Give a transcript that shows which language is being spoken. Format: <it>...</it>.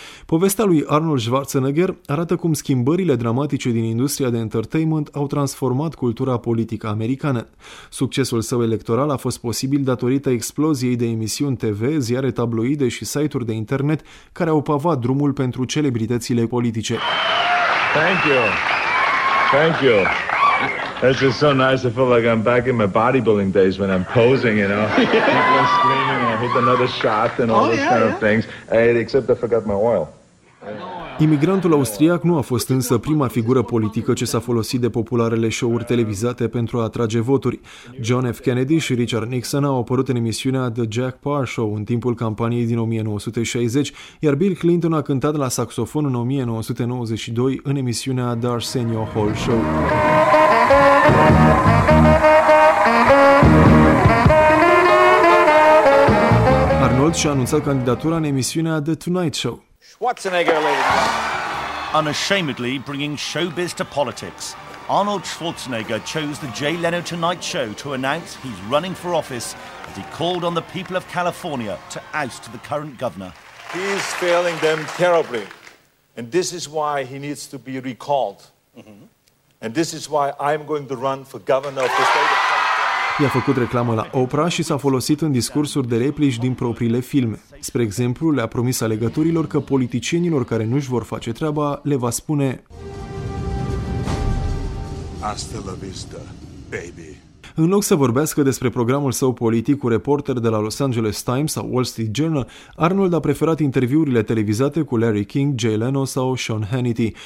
<ro>Povestea lui Arnold Schwarzenegger arată cum schimbările dramatice din industria de entertainment au transformat cultura politică americană. Succesul său electoral a fost posibil datorită exploziei de emisiuni TV, ziare tabloide și site-uri de internet care au pavat drumul pentru celebritățile politice.</ro> <en>Thank you. Thank you. This is so nice. I feel like I'm back in my bodybuilding days when I'm posing, you know. Yeah. People are screaming and I hit another shot and all those kind of things. Except I forgot my oil.</en> <ro>Imigrantul austriac nu a fost însă prima figură politică ce s-a folosit de popularele show-uri televizate pentru a atrage voturi. John F. Kennedy și Richard Nixon au apărut în emisiunea The Jack Parr Show în timpul campaniei din 1960, iar Bill Clinton a cântat la saxofon în 1992 în emisiunea The Arsenio Hall Show. Arnold și-a anunțat candidatura în emisiunea The Tonight Show.</ro> <en>Schwarzenegger, ladies. Unashamedly bringing showbiz to politics, Arnold Schwarzenegger chose the Jay Leno Tonight Show to announce he's running for office as he called on the people of California to oust the current governor. He's failing them terribly, and this is why he needs to be recalled. Mm-hmm. And this is why I'm going to run for governor of the state of California.</en> <ro>I-a făcut reclamă la Oprah și s-a folosit în discursuri de replici din propriile filme. Spre exemplu, le-a promis alegătorilor că politicienilor care nu-și vor face treaba le va spune:</ro> <es>Hasta la vista, baby.</es> <ro>În loc să vorbească despre programul său politic cu reporteri de la Los Angeles Times sau Wall Street Journal, Arnold a preferat interviurile televizate cu Larry King, Jay Leno sau Sean Hannity.</ro>